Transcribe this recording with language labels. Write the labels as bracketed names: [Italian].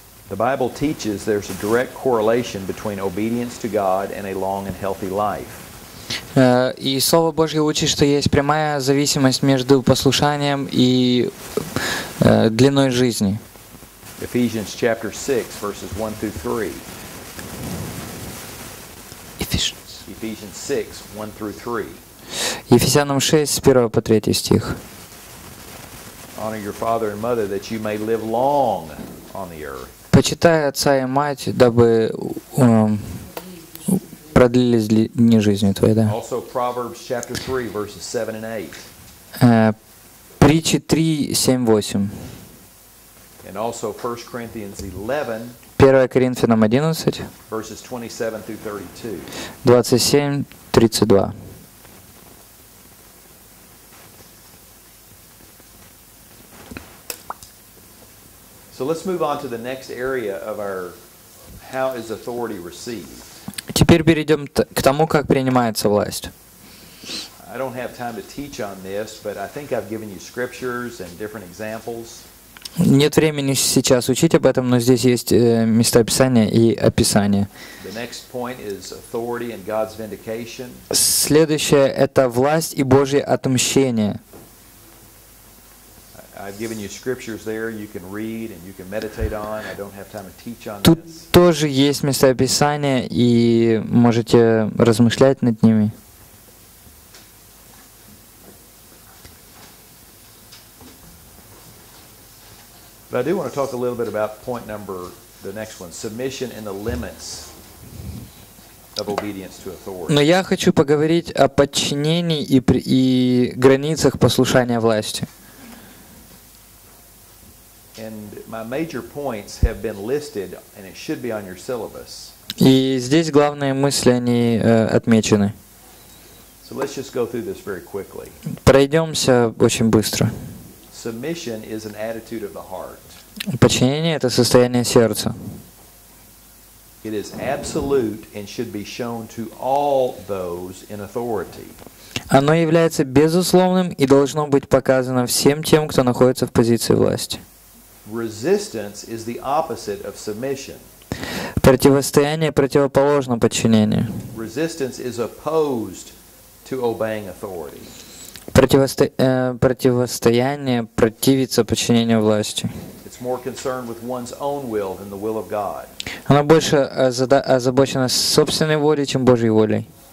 [English] The Bible teaches there's a direct correlation between obedience to God and a long and healthy life. [Russian] И Слово Божье учит, что есть прямая зависимость между послушанием и длиной жизни. [English] Ephesians chapter 6 verses 1 through 3. Ephesians 6, 1 through 3. [Russian] Ефесянам 6, с 1 по 3 стих. [English] Honor your father and mother that you may live long on the earth. [Russian] Почитай отца и мать, дабы продлились дни жизни твоей. Да. [English] Also, Proverbs chapter 3, verses 7 and 8. [Russian] Притчи 3, 7, 8. [English] And also, 1 Corinthians 11, [Russian] 1 Коринфянам 11, [English] verses 27 through 32. [Russian] 27, 32. [English] So let's move on to the next area of our how is authority received. [Russian] Теперь перейдем к тому, как принимается власть. [English] I don't have time to teach on this, but I think I've given you scriptures and different examples. [Russian] Нет времени сейчас учить об этом, но здесь есть места писания и описание. [English] The next point is authority and God's vindication. [Russian] Следующее это власть и Божье отмщение. [English] I've given you scriptures there you can read and you can meditate on. I don't have time to teach on this. [Russian] Тут тоже есть места писания и можете размышлять над ними. [English] But I do want to talk a little bit about point number, the next one, submission and the limits of obedience to authority. [Russian] Но я хочу поговорить о подчинении и границах послушания власти. [English] And my major points have been listed, and it should be on your syllabus. [Russian] И здесь главные мысли, они отмечены. [English] So let's just go through this very quickly. [Russian] Пройдемся очень быстро. [English] Submission is an attitude of the heart. [Russian] Подчинение — это состояние сердца. [English] It is absolute and should be shown to all those in authority. [Russian] Оно является безусловным и должно быть показано всем тем, кто находится в позиции власти. [English] Resistance is the opposite of submission. [Russian] Противостояние противоположно подчинению. [English] Resistance is opposed to obeying authority. [Russian] Противостояние противится подчинению власти. [English] It's more concerned with one's own will than the will of God. [Russian] Оно больше озабочено собственной волей, чем Божьей волей.